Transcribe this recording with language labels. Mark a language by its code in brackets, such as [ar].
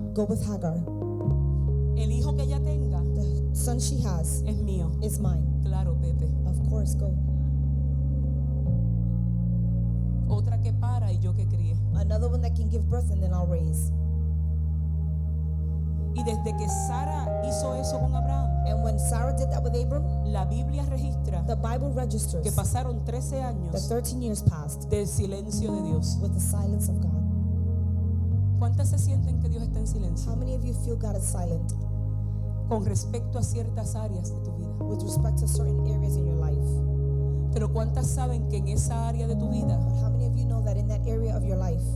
[en] Go with Hagar. [es] El hijo que ella tenga, [en] the son she has, [es] es mío. [en] Is mine. [es] Claro, Pepe. [en] Of course, go. [es] Otra que para y yo que críe. [en] Another one that can give birth and then I'll raise. [es] Y desde que Sara hizo eso con Abraham, [en] and when Sarah did that with Abram, [es] la Biblia registra, [en] the Bible registers, [es] que pasaron 13 años, [en] that 13 years passed, [es] del silencio de Dios, [en] with the silence of God. [es] ¿Cuántas se sienten que Dios está en silencio? [en] How many of you feel God is silent? [es] Con respecto a ciertas áreas de tu vida, [en] with respect to certain areas in your life. [es] Pero ¿cuántas saben que en esa área de tu vida, [en] but how many of you know that in that area of your life,